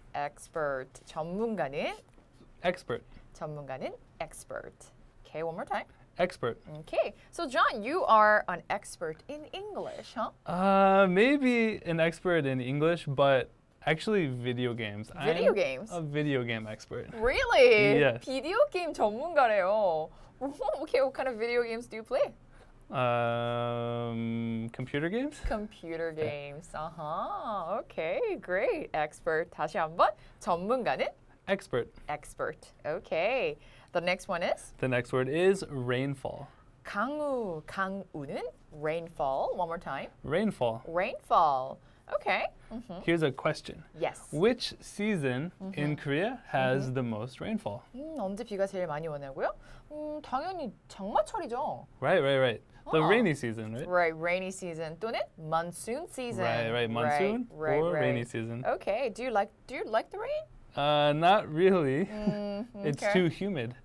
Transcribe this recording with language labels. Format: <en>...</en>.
<en>Expert.</en> <ko>전문가는?</ko> <en>Expert.</en> <ko>전문가는</ko> <en>expert. Okay, one more time. Expert. Okay. So, John, you are an expert in English, huh? Maybe an expert in English, but actually video games. Video games? A video game expert. Really? Yes.</en> <ko>비디오 게임 전문가래요.</ko> <en>Okay, what kind of video games do you play? Computer games? Computer games. Okay, great. Expert.</en> <ko>다시 한번. 전문가는?</ko> <en>Expert. Expert. Okay. The next one is? The next word is rainfall.</en> <ko>강우. 강우는?</ko> <en>Rainfall. One more time. Rainfall. Rainfall. Okay. Here's a question. Yes. Which season in Korea has the most rainfall?</en> <ko>언제 비가 제일 많이 오냐고요? 당연히 장마철이죠.</ko> <en>Right. The rainy season, right? Right, rainy season.</en> <ko>또는</ko> <en>monsoon season. Right, monsoon or rainy season. Okay, do you like the rain? Not really. It's too humid.</en>